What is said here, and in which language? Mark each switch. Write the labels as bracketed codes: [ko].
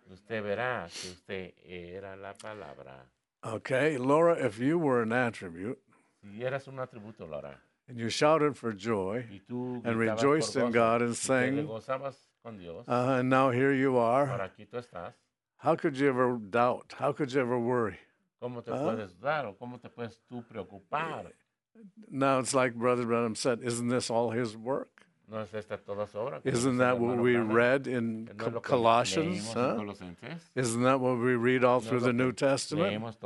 [es] Usted verá que usted era la palabra. [en] Okay, Laura, if you were an attribute, [es] si eras un atributo, Laura, [en] and you shouted for joy [es] y tú [en] and rejoiced [es] por gozo, [en] in God and sang, and now here you are, [es] ahora aquí tú estás, [en] how could you ever doubt? How could you ever worry? [es] ¿Cómo te puedes dudar, o cómo te puedes tú preocupar? [en] Now it's like Brother Branham said, isn't this all his work? [es] ¿No es esta toda su obra? [en] Isn't that what we read in Colossians? Huh? Isn't that what we read all through the New Testament?